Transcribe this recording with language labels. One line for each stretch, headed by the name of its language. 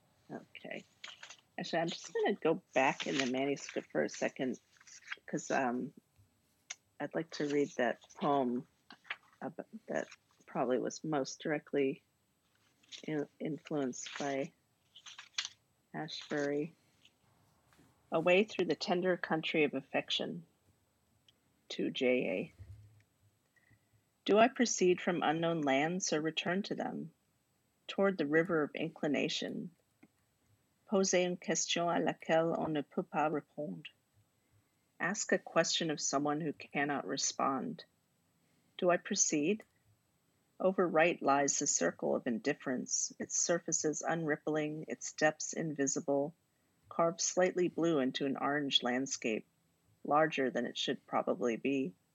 English: Okay. Actually, I'm just going to go back in the manuscript for a second, because I'd like to read that poem that probably was most directly influenced by Ashbery. Away Through the Tender Country of Affection, to J.A. Do I proceed from unknown lands or return to them, toward the river of inclination?
French: Poser une question à laquelle on ne peut pas répondre.
English: Ask a question of someone who cannot respond. Do I proceed? Over right lies the circle of indifference, its surfaces unrippling, its depths invisible, carved slightly blue into an orange landscape, larger than it should probably be.